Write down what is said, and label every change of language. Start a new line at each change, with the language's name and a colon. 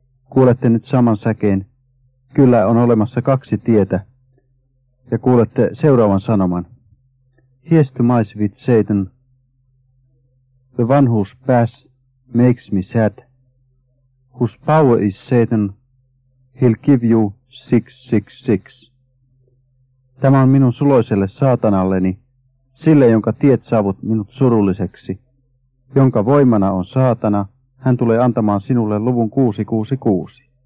Finnish: Kuulette nyt saman säkeen, kyllä on olemassa kaksi tietä, ja kuulette seuraavan sanoman.
English: Here's to my sweet Satan, the one whose past makes me sad, whose power is Satan, he'll give you 666.
Finnish: Tämä on minun suloiselle saatanalleni, sille, jonka tiet saavut minut surulliseksi. Jonka voimana on saatana, hän tulee antamaan sinulle luvun 666.